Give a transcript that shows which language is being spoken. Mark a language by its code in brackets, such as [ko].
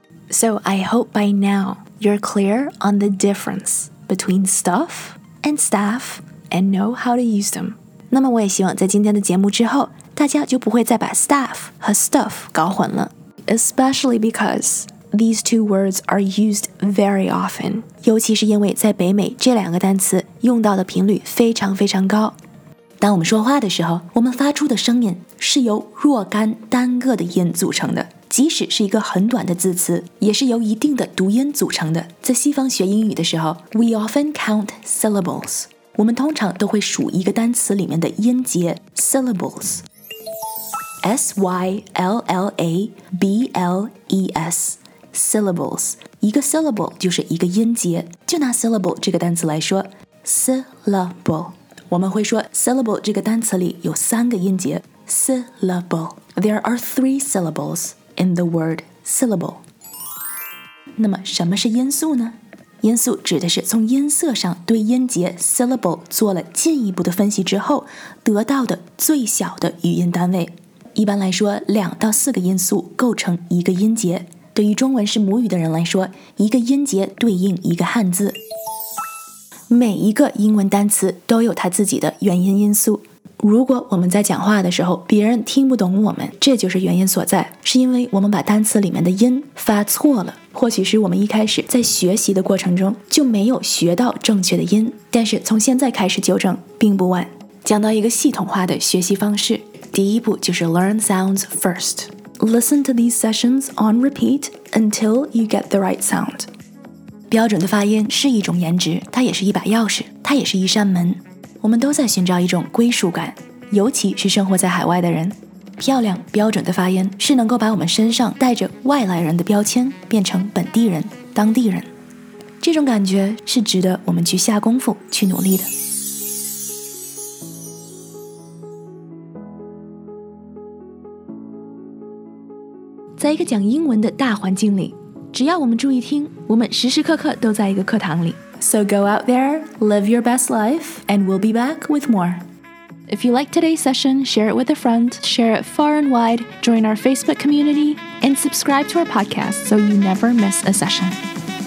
[en] So I hope by now you're clear on the difference between stuff and staff and know how to use them. [zh] 那么我也希望在今天的节目之后，大家就不会再把 staff 和 stuff 搞混了。 [en] Especially because these two words are used very often. [zh] 尤其是因为在北美这两个单词用到的频率非常非常高。当我们说话的时候，我们发出的声音是由若干单个的音组成的，即使是一个很短的字词，也是由一定的读音组成的。在西方学英语的时候 ， [en] we often count syllables， [zh] 我们通常都会数一个单词里面的音节 syllables， s y l l a b l e s syllables， 一个 syllable 就是一个音节。就拿 syllable 这个单词来说 ，syllable。我们会说 syllable 这个单词里有三个音节 syllable. [en] There are three syllables in the word syllable. [zh] 那么什么是音素呢？音素指的是从音色上对音节 syllable 做了进一步的分析之后得到的最小的语音单位。一般来说，两到四个音素构成一个音节。对于中文是母语的人来说，一个音节对应一个汉字。每一个英文单词都有它自己的元音音素。如果我们在讲话的时候，别人听不懂我们，这就是原因所在，是因为我们把单词里面的音发错了，或许是我们一开始在学习的过程中就没有学到正确的音。但是从现在开始纠正并不晚。讲到一个系统化的学习方式，第一步就是 [en] learn sounds first. Listen to these sessions on repeat until you get the right sound. [zh] 标准的发音是一种颜值，它也是一把钥匙，它也是一扇门。我们都在寻找一种归属感，尤其是生活在海外的人。漂亮标准的发音是能够把我们身上带着外来人的标签变成本地人、当地人。这种感觉是值得我们去下功夫、去努力的。在一个讲英文的大环境里，只要我们注意听，我们时时刻刻都在一个课堂里。 [en] So go out there, live your best life, and we'll be back with more. If you like today's session, share it with a friend, share it far and wide, join our Facebook community, and subscribe to our podcast so you never miss a session.